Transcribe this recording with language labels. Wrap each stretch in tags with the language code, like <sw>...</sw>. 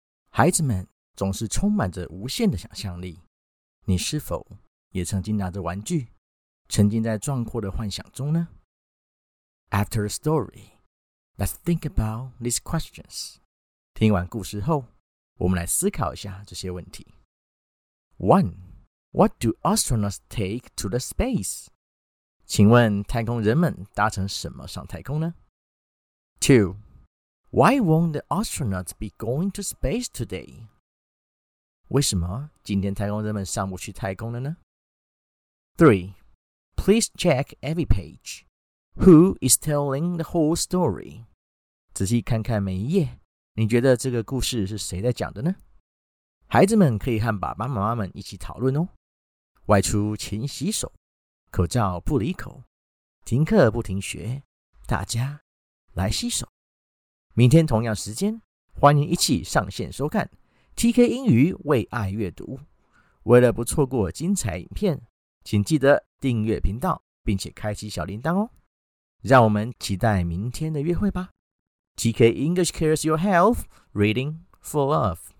<zh>孩子们总是充满着无限的想象力，你是否也曾经拿着玩具沉浸在壮阔的幻想中呢？</zh> <en>After a story, let's think about these questions.</en> <zh>听完故事后，我们来思考一下这些问题。 1.</zh> <en>What do astronauts take to the space?</en> <zh>请问太空人们搭乘什么上太空呢？ 2.</zh> <en>Why won't the astronauts be going to space today?</en> <zh>为什么今天太空人们上不去太空了呢？</zh> <en>3. Please check every page. Who is telling the whole story?</en> <zh>仔细看看每一页，你觉得这个故事是谁在讲的呢？孩子们可以和爸爸妈妈们一起讨论哦。外出勤洗手，口罩不离口，停课不停学，大家来洗手。明天同样时间，欢迎一起上线收看 TK 英语为爱阅读。为了不错过精彩影片，请记得订阅频道，并且开启小铃铛哦。让我们期待明天的约会吧。</zh> <en>TK English cares your health, reading for love.</en>